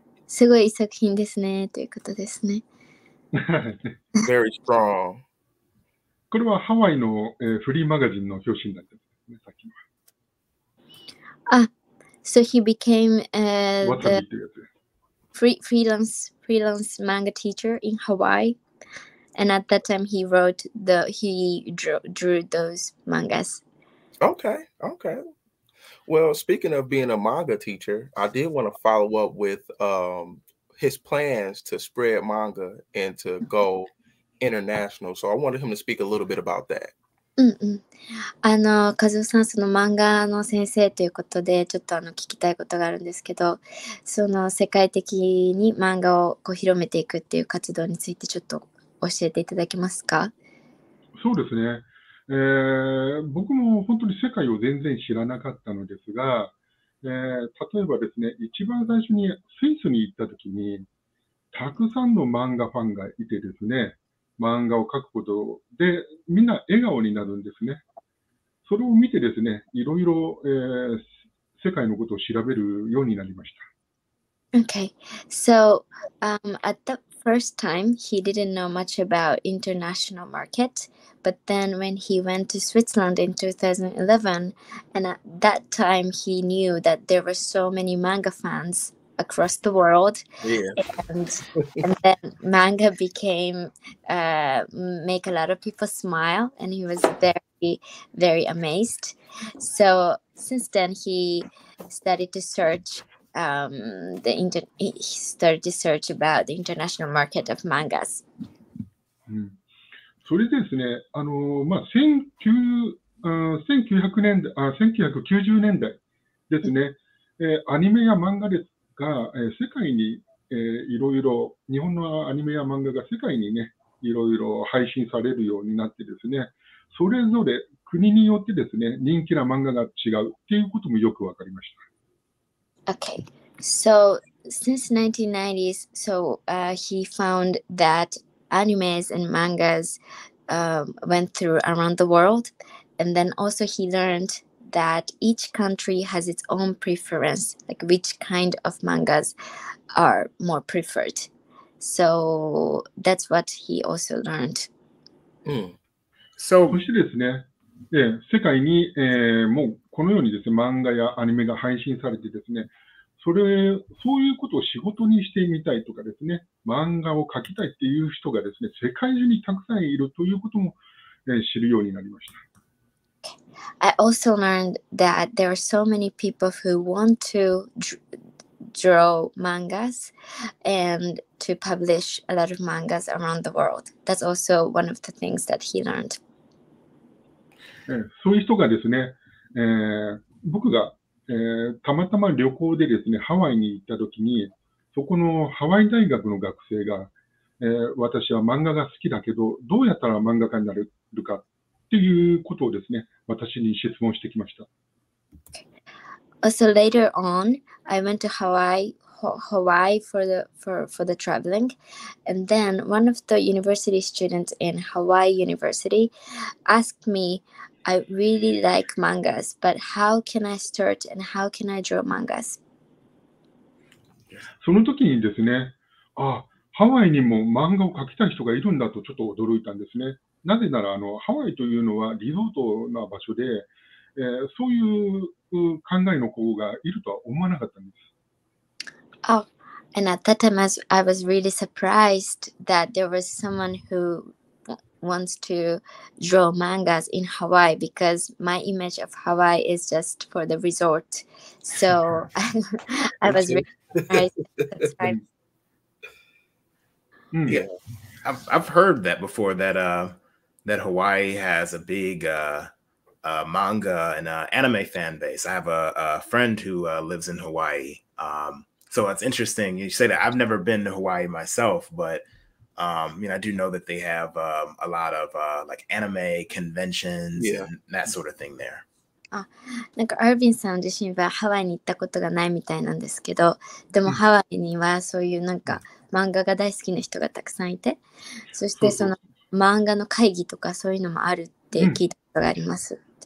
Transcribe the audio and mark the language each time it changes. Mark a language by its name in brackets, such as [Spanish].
[Japanese] すごい作品ですね、ということですね。 [English] Very strong. [Japanese] これはハワイの、フリーマガジンの表紙になってますね、さっきの。 [English] So he became the freelance manga teacher in Hawaii. And at that time he drew those mangas. Okay. Well, speaking of being a manga teacher, I did want to follow up with his plans to spread manga and to go international. So I wanted him to speak a little bit about that. [Japanese] あの、カズオさん、その漫画の先生ということで、ちょっとあの聞きたいことがあるんですけど、その世界的に漫画をこう広めていくっていう活動についてちょっと教えていただけますか？そうですね。僕も本当に世界を全然知らなかったのですが、例えばですね、一番最初にスイスに行った時にたくさんの漫画ファンがいてですね、漫画を描くことでみんな笑顔になるんですね。それを見てですね、いろいろ、世界のことを調べるようになりました。 [English] Okay. So, at the first time he didn't know much about international marketBut then when he went to Switzerland in 2011, and at that time he knew that there were so many manga fans across the world. Yeah. And then manga became, make a lot of people smile, and he was very, very amazed. So since then he started to search, he started to search about the international market of mangas. Mm. [Japanese] それですね、まあ、1990年代ですね、アニメや漫画ですが、世界に、いろいろ、日本のアニメや漫画が世界にね、いろいろ配信されるようになってですね、それぞれ国によってですね、人気な漫画が違うっていうこともよくわかりました。 [English] Okay. So, since 1990s, so, he found thatanimes and mangas went through around the world, and then also he learned that each country has its own preference, like which kind of mangas are more preferred. So that's what he also learned. So, [Japanese] そしてですね、世界に、もうこのようにですね、漫画やアニメが配信されてですね、それ、そういうことを仕事にしてみたいとかですね、漫画を描きたいっていう人がですね、世界中にたくさんいるということも、知るようになりました。 [English] I also learned that there are so many people who want to draw mangas and to publish a lot of mangas around the world. That's also one of the things that he learned. [Japanese] そういう人がですね、僕が、たまたま旅行でですね、ハワイに行った時に、そこのハワイ大学の学生が、私は漫画が好きだけど、どうやったら漫画家になれるかっていうことをですね、私に質問してきました。 [English] So later on, I went to Hawaii, Hawaii for the traveling, and then one of the university students in Hawaii University asked me, I really like mangas, but how can I start and how can I draw mangas? [Japanese] その時にですね、あ、ハワイにも漫画を描きたい人がいるんだとちょっと驚いたんですね。なぜならあのハワイというのはリゾートな場所で、そういう考えの子がいるとは思わなかったんです。 [English] Oh, and at that time I was really surprised that there was someone who wants to draw mangas in Hawaii because my image of Hawaii is just for the resort. So I was really surprised at that time. Yeah, I've heard that before that, that Hawaii has a big manga and anime fan base. I have a friend who lives in Hawaii. So it's interesting. You say that I've never been to Hawaii myself, but you know, I do know that they have a lot of like anime conventions yeah. and that sort of thing there. [Japanese] あ、なんかアルビンさん自身はハワイに行ったことがないみたいなんですけど、でもハワイにはそういうなんか漫画が大好きな人がたくさんいて、そしてその漫画の会議とかそういうのもあるって聞いたことがあります。